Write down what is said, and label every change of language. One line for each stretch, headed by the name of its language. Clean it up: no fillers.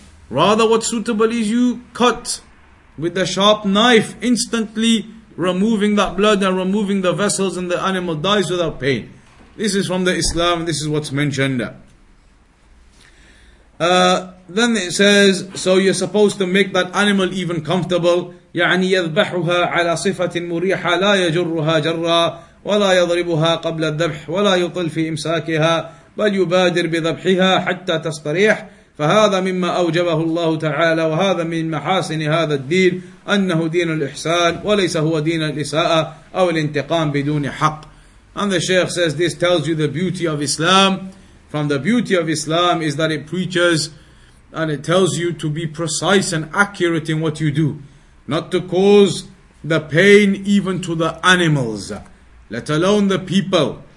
English: Rather, what's suitable is you cut with a sharp knife, instantly removing that blood and removing the vessels and the animal dies without pain. This is from the Islam, this is what's mentioned. Then it says, so you're supposed to make that animal even comfortable.
Arabic: يعني يذبحها على صفة مريحة لا يجرها جرا ولا يضربها قبل الذبح ولا يطل في إمساكها بل يبادر بذبحها حتى تستريح فهذا مما أوجبه الله تعالى وهذا من محاسن هذا الدين أنه دين الإحسان وليس هو دين الإساءة أو الانتقام بدون حق.
English: And the Shaykh says, this tells you the beauty of Islam. From the beauty of Islam is that it preaches And it tells you to be precise and accurate in what you do. Not to cause the pain even to the animals, let alone the people.